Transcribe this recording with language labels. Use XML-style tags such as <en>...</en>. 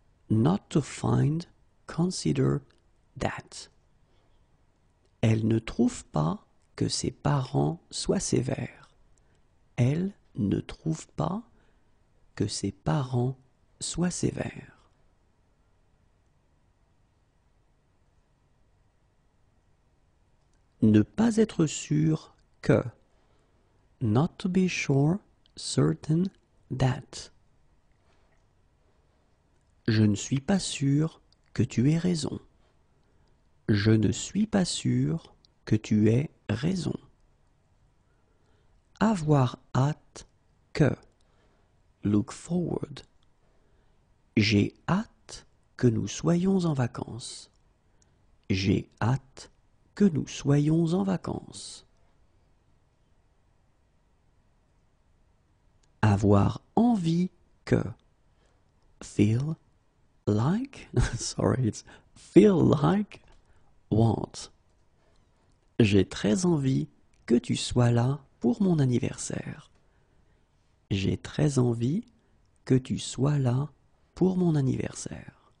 <en>Not to find, consider, that.</en> <fr>Elle ne trouve pas que ses parents soient sévères. Elle ne trouve pas que ses parents soient sévères. Ne pas être sûr que.</fr> <en>Not to be sure, certain, that.</en> <fr>Je ne suis pas sûr que tu aies raison. Je ne suis pas sûr que tu aies raison. Avoir hâte que.</fr> <en>Look forward.</en> <fr>J'ai hâte que nous soyons en vacances. J'ai hâte que nous soyons en vacances. Avoir envie que.</fr> <en>Feel like. Sorry, it's feel like. Want.</en> <fr>J'ai très envie que tu sois là pour mon anniversaire. J'ai très envie que tu sois là pour mon anniversaire.</fr>